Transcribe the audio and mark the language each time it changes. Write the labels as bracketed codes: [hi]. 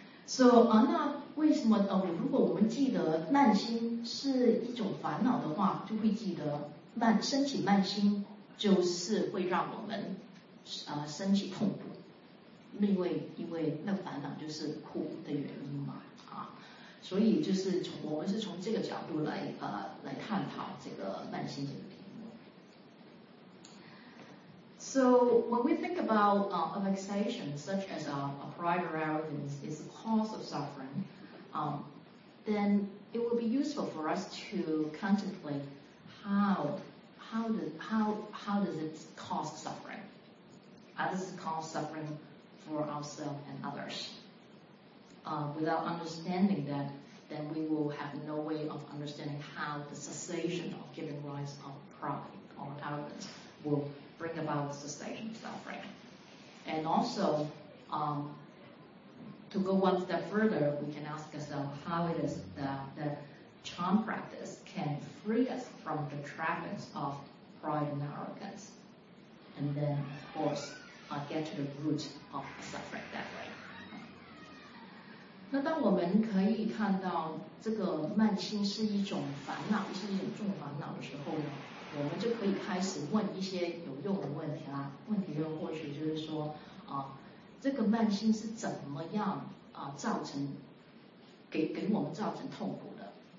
[zh] So, 那为什么如果我们记得慢心是一种烦恼的话，就会记得升起慢心就是会让我们升起痛苦，因为那烦恼就是苦的原因嘛，所以就是我们是从这个角度来探讨这个慢心这个题目。 [en] So when we think about a vexation such as a pride or arrogance is the cause of suffering, then it would be useful for us to contemplate how does it cause suffering? How does it cause suffering for ourselves and others? Without understanding that, then we will have no way of understanding how the cessation of giving rise of pride or arrogance will bring about cessation of suffering. And also, to go one step further, we can ask ourselves how it is that charm practice can free us from the trappings of pride and arrogance, and then, of course, get to the root of suffering that way. [zh] 那当我们可以看到这个慢心是一种烦恼，是一种重烦恼的时候呢，我们就可以开始问一些有用的问题啦。问题就或许就是说，这个慢心是怎么样造成给我们造成痛苦的？